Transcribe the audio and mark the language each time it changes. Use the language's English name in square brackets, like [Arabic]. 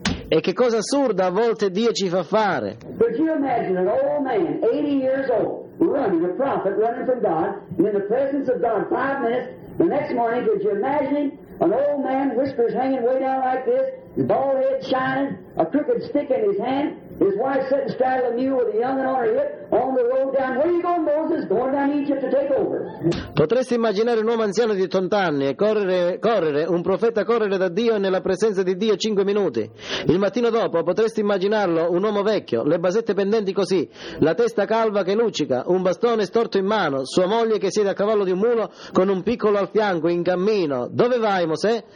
[Italian] E che cosa assurda a volte Dio ci fa fare. [English] Could you imagine an old man, 80 years old, running, a prophet running from God, and in the presence of God 5 minutes, the next morning, could you imagine an old man, whispers hanging way down like this, bald head shining, a crooked stick in his hand, His wife sat and straddled a mule with a young one on her hip on the road down. Where are you going, Moses? Going down Egypt to take over. [Italian] Potresti immaginare un uomo anziano di 80 anni e correre, un profeta correre da Dio nella presenza di Dio 5 minuti. Il mattino dopo potresti immaginarlo un uomo vecchio, le basette pendenti così, la testa calva che luccica, un bastone storto in mano, sua moglie che siede a cavallo di un mulo con un piccolo al fianco in cammino. Dove vai, Mosè?